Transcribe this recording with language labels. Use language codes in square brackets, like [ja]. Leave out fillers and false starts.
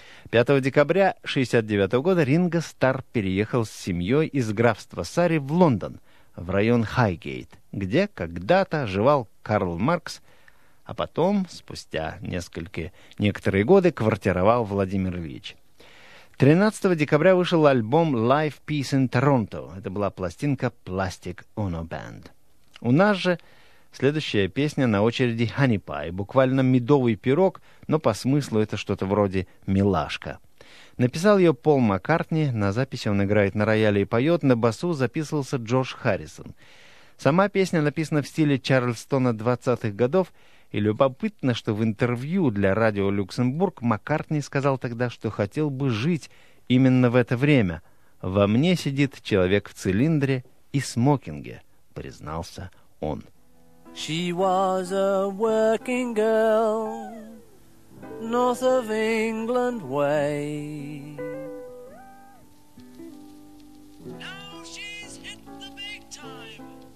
[ru] 5 декабря 1969 года Ринго Старр переехал с семьей из графства Сари в Лондон, в район Хайгейт, где когда-то живал Карл Маркс, а потом, спустя некоторые годы, квартировал Владимир Ильич. 13 декабря вышел альбом «Live Peace in Toronto». Это была пластинка «Plastic Ono Band». У нас же следующая песня на очереди «Honey Pie», буквально «медовый пирог», но по смыслу это что-то вроде «милашка». Написал ее Пол Маккартни, на записи он играет на рояле и поет, на басу записывался Джордж Харрисон. Сама песня написана в стиле Чарльстона 20-х годов, и любопытно, что в интервью для радио «Люксембург» Маккартни сказал тогда, что хотел бы жить именно в это время. «Во мне сидит человек в цилиндре и смокинге», — признался он. [en] She was a working girl, north of England way. Now she's hit the big time.